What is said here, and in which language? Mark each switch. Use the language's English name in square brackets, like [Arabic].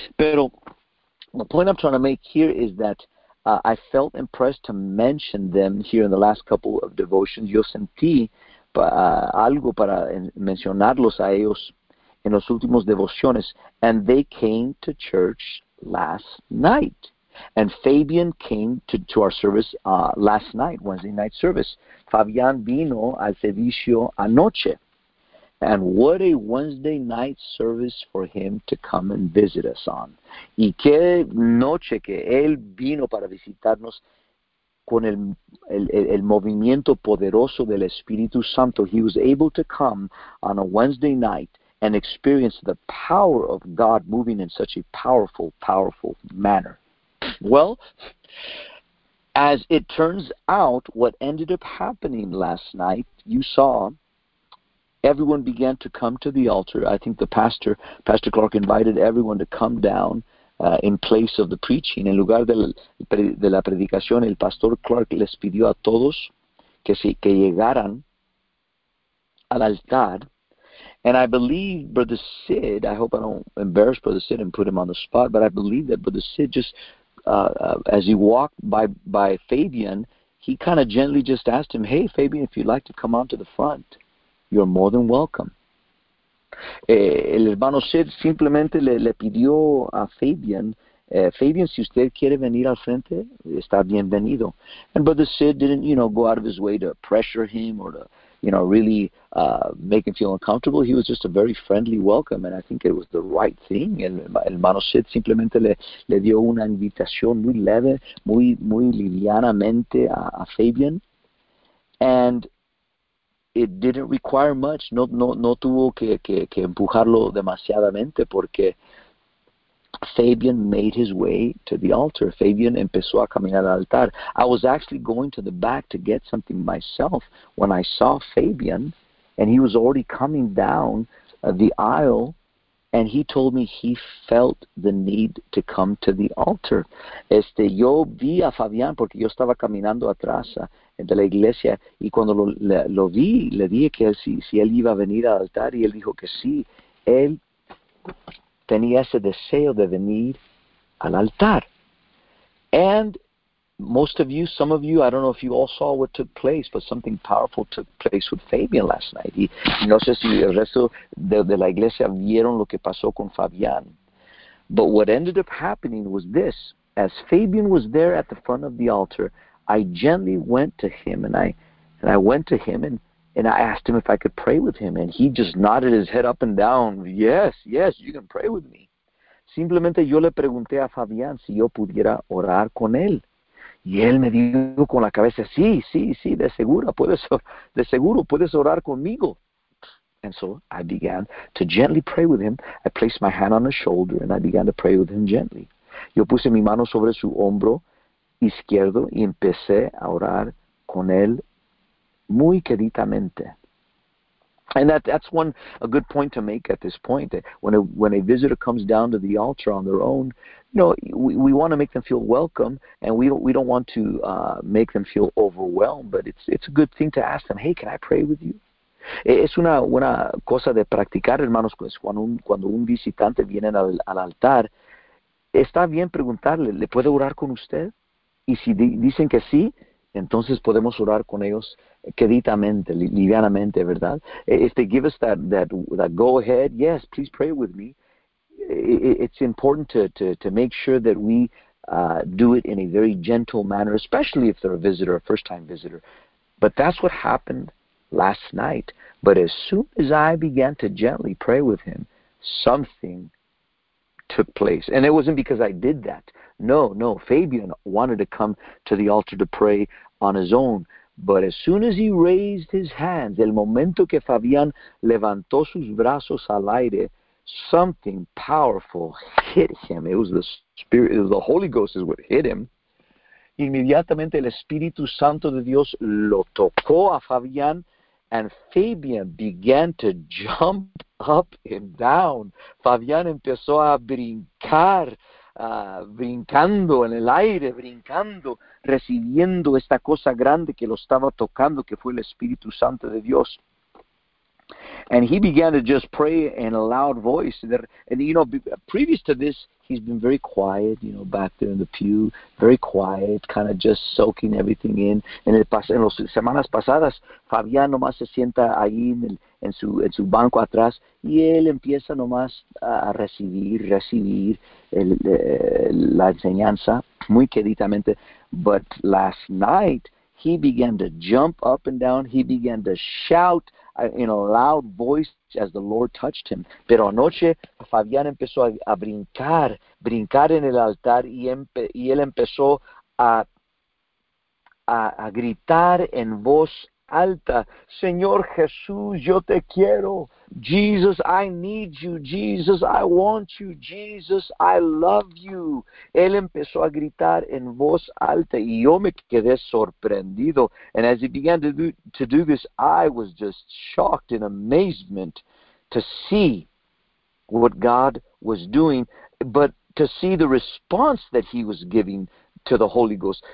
[Spanish] Pero [English] the point I'm trying to make here is that I felt impressed to mention them here in the last couple of devotions. [Spanish] Yo sentí algo para mencionarlos a ellos en los últimos devociones. [English] And they came to church last night. And Fabian came to our service last night, Wednesday night service. [Spanish] Fabian vino al servicio anoche. [English] And what a Wednesday night service for him to come and visit us on. [Spanish] Y qué noche que él vino para visitarnos con el movimiento poderoso del Espíritu Santo. [English] He was able to come on a Wednesday night and experience the power of God moving in such a powerful, powerful manner. Well, as it turns out, what ended up happening last night, you saw, everyone began to come to the altar. I think the pastor, Pastor Clark, invited everyone to come down in place of the preaching. [Spanish] En lugar de la predicación, el Pastor Clark les pidió a todos que llegaran al altar. [English] And I believe Brother Sid, I hope I don't embarrass Brother Sid and put him on the spot, but I believe that Brother Sid just, as he walked by Fabian, he kind of gently just asked him, "Hey, Fabian, if you'd like to come on to the front, you're more than welcome." [Spanish] El hermano Sid simplemente le pidió a Fabian, "Fabian, si usted quiere venir al frente, está bienvenido." [English] And Brother Sid didn't, you know, go out of his way to pressure him or to, you know, really make him feel uncomfortable. He was just a very friendly welcome, and I think it was the right thing. [Spanish] El hermano Sid simplemente le dio una invitación muy leve, muy, muy livianamente a Fabian. [English] And it didn't require much. [Spanish] No tuvo que empujarlo demasiadamente porque [English] Fabian made his way to the altar. [Spanish] Fabian empezó a caminar al altar. [English] I was actually going to the back to get something myself when I saw Fabian, and he was already coming down the aisle, and he told me he felt the need to come to the altar. [Spanish] Yo vi a Fabian porque yo estaba caminando atrás de la iglesia, y cuando lo vi, le dije que si él iba a venir al altar, y él dijo que sí, él tenía ese deseo de venir al altar. [English] And most of you, some of you, I don't know if you all saw what took place, but something powerful took place with Fabian last night. [Spanish] Y no sé si el resto de la iglesia vieron lo que pasó con Fabian. [English] But what ended up happening was this. As Fabian was there at the front of the altar, I gently went to him, and I asked him if I could pray with him, and he just nodded his head up and down. "Yes, yes, you can pray with me." [Spanish] Simplemente yo le pregunté a Fabián si yo pudiera orar con él, y él me dijo con la cabeza, "Sí, sí, sí, de seguro puedes orar conmigo." [English] And so I began to gently pray with him. I placed my hand on his shoulder, and I began to pray with him gently. [Spanish] Yo puse mi mano sobre su hombro izquierdo y empecé a orar con él muy queridamente. [English] And that's one a good point to make at this point. When a visitor comes down to the altar on their own, you know, we want to make them feel welcome, and we don't want to make them feel overwhelmed. But it's a good thing to ask them, hey, can I pray with you? [Spanish] Es una cosa de practicar, hermanos, pues, cuando un visitante viene al altar, está bien preguntarle, ¿le puedo orar con usted? Y si dicen que sí, entonces podemos orar con ellos queditamente, livianamente, ¿verdad? [English] If they give us that go ahead, yes, please pray with me. It's important to make sure that we do it in a very gentle manner, especially if they're a visitor, a first-time visitor. But that's what happened last night. But as soon as I began to gently pray with him, something took place. And it wasn't because I did that. No, Fabian wanted to come to the altar to pray on his own. But as soon as he raised his hands, [Spanish] el momento que Fabian levantó sus brazos al aire, [English] something powerful hit him. It was the Spirit, it was the Holy Ghost is what hit him. [Spanish] Inmediatamente el Espíritu Santo de Dios lo tocó a Fabian, [English] and Fabian began to jump up and down. [Spanish] Fabian empezó a brincar, brincando en el aire, brincando, recibiendo esta cosa grande que lo estaba tocando, que fue el Espíritu Santo de Dios. [English] And he began to just pray in a loud voice. And you know, previous to this, he's been very quiet, you know, back there in the pew, very quiet, kind of just soaking everything in. [Spanish] En las semanas pasadas, Fabián nomás se sienta ahí en su banco atrás, y él empieza nomás a recibir la enseñanza muy queditamente. [English] But last night, he began to jump up and down. He began to shout in a loud voice as the Lord touched him. [Spanish] Pero anoche, Fabián empezó a brincar en el altar, y él empezó a gritar en voz alta, Señor Jesús, yo te quiero. [English] Jesus, I need you. Jesus, I want you. Jesus, I love you. [Spanish] Él empezó a gritar en voz alta, y yo me quedé sorprendido. [English] And as he began to do this, I was just shocked in amazement to see what God was doing, but to see the response that he was giving to the Holy Ghost.